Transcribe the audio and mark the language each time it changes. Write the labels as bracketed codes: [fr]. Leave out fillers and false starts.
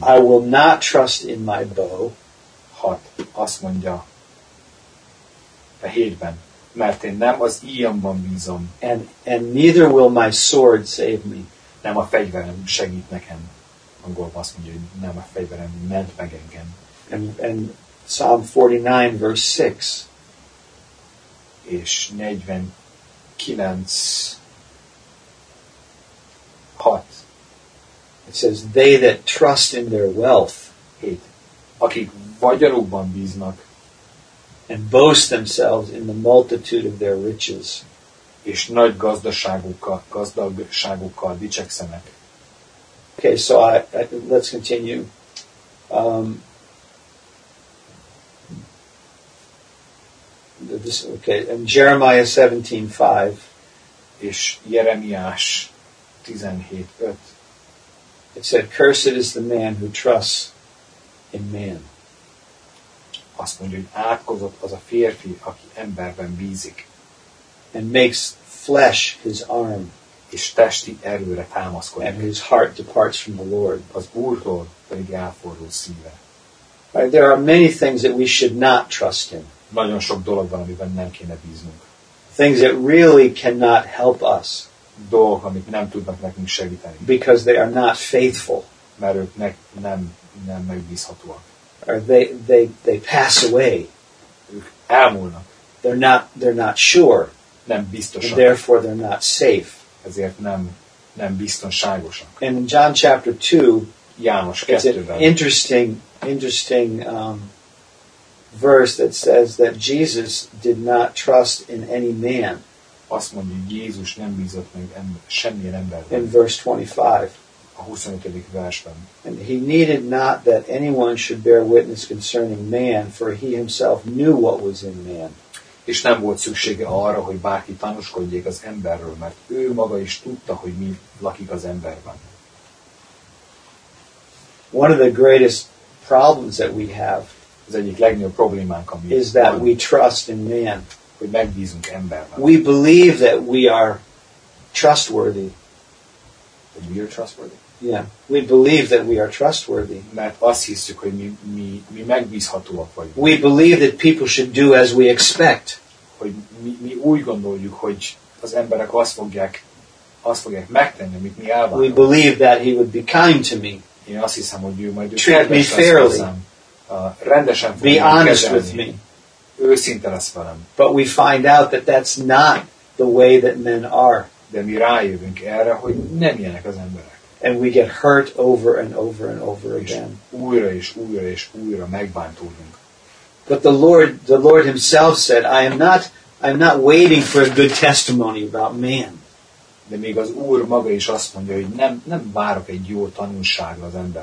[en] I will not trust in my bow. [hu] Hat. Azt mondja a 7-ben, mert én nem az íjamban bízom. [en] And neither will my sword save me. [hu] Nem a fegyverem segít nekem. Angolban azt mondja, hogy nem a fegyverem ment meg engem. [en] And Psalm 49:6. [hu] És 49:6. [en] It says, they that trust in their wealth, [hu] hate, akik vagyonukban bíznak, [en] and boast themselves in the multitude of their riches, [hu] és nagy gazdagságukkal dicsekszenek. [en] Okay, so I let's continue. And Jeremiah 17:5. [hu] És Jeremiás 17:5. [en] It said, cursed is the man who trusts in man. [hu] Azt mondja, hogy átkozott az a férfi, aki emberben bízik. [en] And makes flesh his arm. [hu] És testi erőre támaszkodik. [en] And his heart departs from the Lord. [hu] Az Úrtól pedig elfordul szíve. [en] Right, there are many things that we should not trust in. [hu] Nagyon sok dolog van, amiben nem kéne bíznunk. [en] Things that really cannot help us. [hu] Dolgok, amik nem tudnak nekünk segíteni. [en] Because they are not faithful. [hu] Mert ők nem megbízhatóak. [en] Or they pass away. [hu] Ők elmúlnak. [en] they're not sure. [hu] Nem biztosak. [en] And therefore they're not safe. [hu] Ezért nem biztonságosak. [en] And in John chapter 2, [hu] János kettőben. [en] Interesting verse that says that Jesus did not trust in any man. [hu] Azt mondja, hogy Jézus nem bízott meg semmilyen emberben. [en] In verse 25. [hu] A 25. versben. [en] And he needed not that anyone should bear witness concerning man, for he himself knew what was in man. [hu] És nem volt szüksége arra, hogy bárki tanúskodjék az emberről, mert ő maga is tudta, hogy mi lakik az emberben. [en] One of the greatest problems that we have [hu] az egyik legnagyobb problémánk, ami [en] is that [hu] van. [en] We trust in man. [hu] Hogy megbízunk emberben. [en] We believe that we are trustworthy. That we are trustworthy. Yeah. We believe that we are trustworthy. [hu] Mert azt hiszük, hogy mi megbízhatóak vagyunk. [en] We believe that people should do as we expect. [hu] Hogy mi úgy gondoljuk, hogy az emberek azt fogják megtenni, amit mi elvárunk. [en] We believe that he would be kind to me. [hu] Én azt hiszem, hogy ő majd ő [en] treat me fairly. [hu] Rendesen [en] be honest with me. [hu] Őszinte lesz velem. [en] But we find out that that's not the way that men are. [hu] De mi rájövünk erre, hogy nem ilyenek az emberek. [en] And we get hurt over and over and over again. [hu] Újra és újra és újra megbántódunk. [en] But the Lord himself said, I am not waiting for a good testimony about man. [hu] De még az Úr maga is azt mondja, hogy nem várok egy jó tanúságra az emberben.